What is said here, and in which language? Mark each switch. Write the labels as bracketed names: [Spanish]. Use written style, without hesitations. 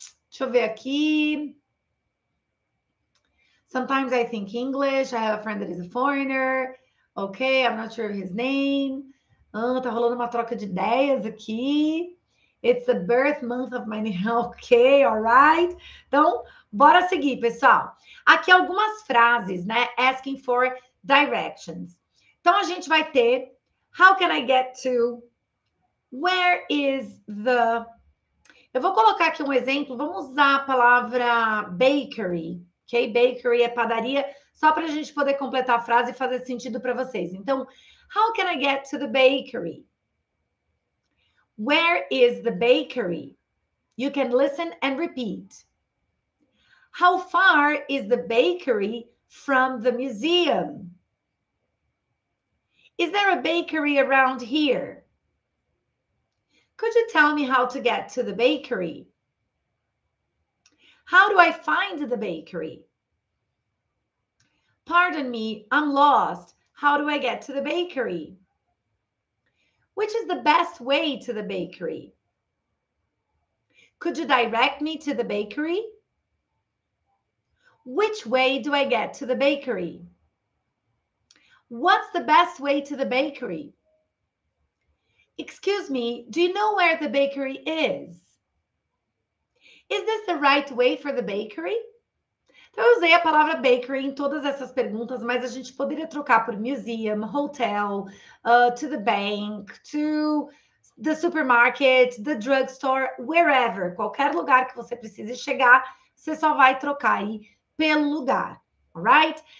[Portuguese] Deixa eu ver aqui. [English] Sometimes I think English. I have a friend that is a foreigner. Okay, I'm not sure of his name. [Portuguese] Tá rolando uma troca de ideias aqui. [English] It's the birth month of my name. Okay, all right. [Portuguese] Então, bora seguir, pessoal. Aqui algumas frases, né? [English] Asking for directions. [Portuguese] Então, a gente vai ter... [English] How can I get to... Where is the... [Portuguese] Eu vou colocar aqui um exemplo. Vamos usar a palavra bakery. Ok? Bakery é padaria. Só para a gente poder completar a frase e fazer sentido para vocês. Então... [English] How can I get to the bakery? Where is the bakery? You can listen and repeat. How far is the bakery from the museum? Is there a bakery around here? Could you tell me how to get to the bakery? How do I find the bakery? Pardon me, I'm lost. How do I get to the bakery? Which is the best way to the bakery? Could you direct me to the bakery? Which way do I get to the bakery? What's the best way to the bakery? Excuse me, do you know where the bakery is? Is this the right way for the bakery? [Portuguese] Eu usei a palavra bakery em todas essas perguntas, mas a gente poderia trocar por [English] museum, hotel, to the bank, to the supermarket, the drugstore, wherever. [Portuguese] Qualquer lugar que você precise chegar, você só vai trocar aí pelo lugar, [English] alright?